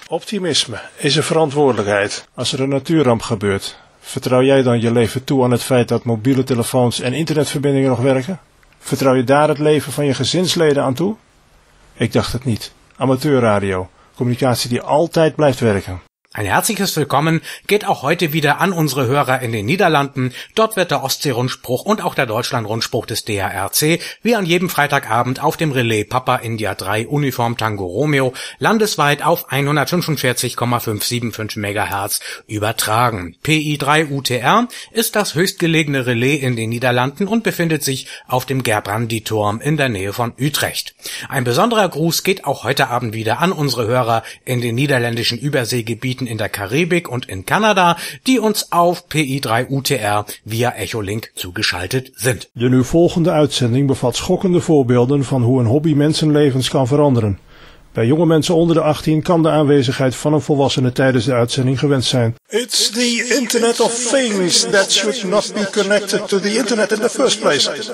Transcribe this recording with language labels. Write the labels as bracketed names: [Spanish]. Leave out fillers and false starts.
[Dutch] Optimisme is een verantwoordelijkheid. Als er een natuurramp gebeurt, vertrouw jij dan je leven toe aan het feit dat mobiele telefoons en internetverbindingen nog werken? Vertrouw je daar het leven van je gezinsleden aan toe? Ik dacht het niet. Amateurradio. Communicatie die altijd blijft werken. [German] Ein herzliches Willkommen geht auch heute wieder an unsere Hörer in den Niederlanden. Dort wird der Ostsee-Rundspruch und auch der Deutschland-Rundspruch des DRRC wie an jedem Freitagabend auf dem Relais Papa India 3 Uniform Tango Romeo landesweit auf 145,575 MHz übertragen. PI3 UTR ist das höchstgelegene Relais in den Niederlanden und befindet sich auf dem Gerbrandi-Turm in der Nähe von Utrecht. Ein besonderer Gruß geht auch heute Abend wieder an unsere Hörer in den niederländischen Überseegebieten in der Karibik und in Kanada, die uns auf PI3 UTR via Echolink zugeschaltet sind. [Dutch] De nu volgende uitzending bevat schokkende voorbeelden van hoe een hobby mensenlevens kan veranderen. Bij jonge mensen onder de 18 kan de aanwezigheid van een volwassene tijdens de uitzending gewenst zijn. [English] It's the Internet of Things that should not be connected to the Internet in the first place.